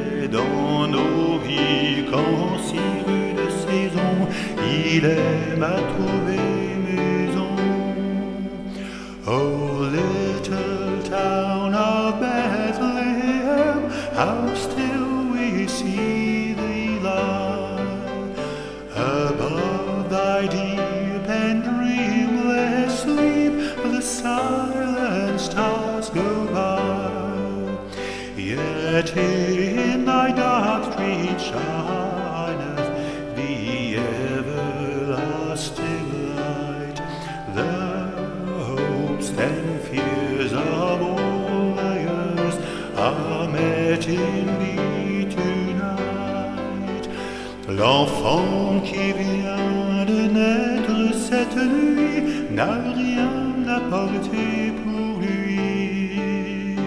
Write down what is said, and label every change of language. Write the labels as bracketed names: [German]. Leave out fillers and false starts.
[French] Dans nos vies, qu'en si rude saison, il aime à trouver maison. [English] Oh, little town of Bethlehem, how still we see thee lie. Above thy deep and dreamless sleep, the silent stars go by. Yet in thy dark street shineth the everlasting light. The hopes and fears of all the years are met in thee tonight. [French] L'enfant qui vient de naître cette nuit n'a rien apporté pour lui.